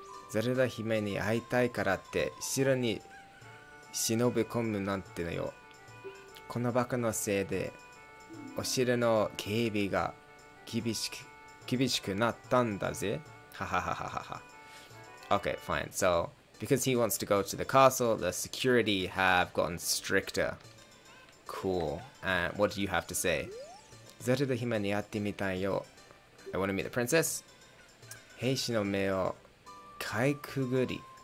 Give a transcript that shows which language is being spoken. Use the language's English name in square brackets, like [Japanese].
[Japanese] ゼルダ姫に会いたいからって城に忍び込むなんてのよ。このバカのせいで、お城の警備が厳しくなったんだぜ。 [English] はははははは。Okay, fine. So, because he wants to go to the castle, the security have gotten stricter. Cool. And what do you have to say? [Japanese] ゼルダ姫に会ってみたいよ。 [English] I want to meet the princess. [Japanese] 兵士の目をかいくぐり。